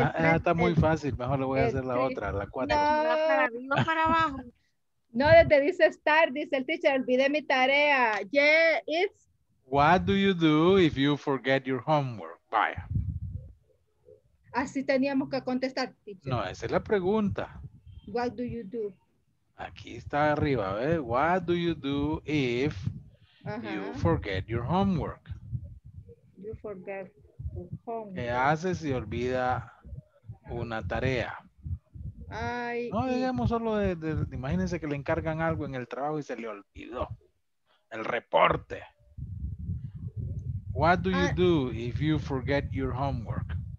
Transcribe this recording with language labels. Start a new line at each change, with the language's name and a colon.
Spanish: está muy fácil, mejor le voy a hacer la otra, la cuatro. No para abajo. No, desde dice start, dice el teacher, olvidé mi tarea.
English: Yeah, it's. What do you do if you forget your homework?
Spanish: Vaya. Así teníamos que contestar, teacher. No, esa es la pregunta.
English: What do you do?
Spanish: Aquí está arriba, ¿eh?
English: What do you do if you forget your homework? You forget your homework.
Spanish: ¿Qué haces si olvida una tarea? Digamos solo de... Imagínense que le encargan algo en el trabajo y se le olvidó. El reporte.
English: What do you do if you forget your homework?